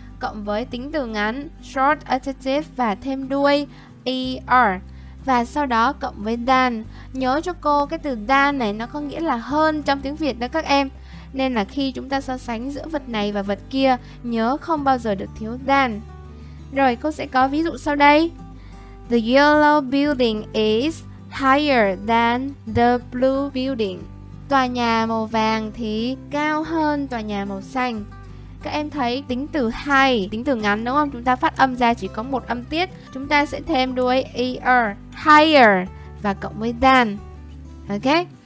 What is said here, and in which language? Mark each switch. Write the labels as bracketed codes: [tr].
[vi] Cộng với tính từ ngắn, short adjective và thêm đuôi, er. Và sau đó cộng với than. Nhớ cho cô cái từ than này nó có nghĩa là hơn trong tiếng Việt đó các em. Nên là khi chúng ta so sánh giữa vật này và vật kia, nhớ không bao giờ được thiếu than. Rồi, cô sẽ có ví dụ sau đây. [en] The yellow building is higher than the blue building. [vi] Tòa nhà màu vàng thì cao hơn tòa nhà màu xanh. Các em thấy tính từ high, tính từ ngắn đúng không? Chúng ta phát âm ra chỉ có một âm tiết. Chúng ta sẽ thêm đuôi er, higher, và cộng với than. Ok?